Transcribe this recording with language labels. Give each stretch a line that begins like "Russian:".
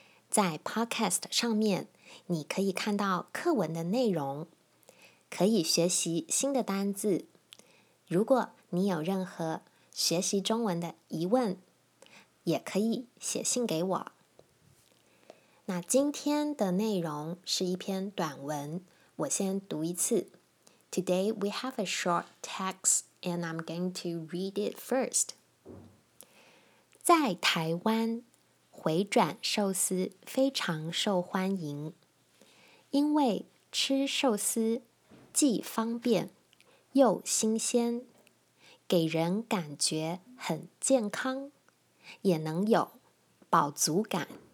Chinese: 在 podcast 上面，你可以看到课文的内容，可以学习新的单字。如果你有任何学习中文的疑问，也可以写信给我。那今天的内容是一篇短文，我先读一次。
English: Today we have a short text and I'm going to read it first.
Chinese: 在台湾，回转寿司非常受欢迎，因为吃寿司既方便又新鲜，给人感觉很健康，也能有饱足感。